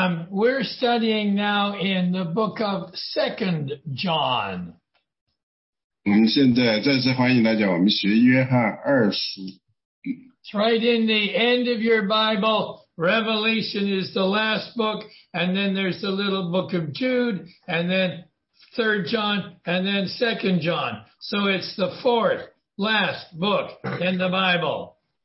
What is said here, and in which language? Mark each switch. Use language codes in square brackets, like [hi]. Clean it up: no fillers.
[en] We're studying now in the book of 2 John. [zh] 我们现在再次欢迎大家,我们学约翰二书。 [en] It's right in the end of your Bible. Revelation is the last book, and then there's the little book of Jude, and then 3 John, and then 2 John. So it's the fourth last book in the Bible.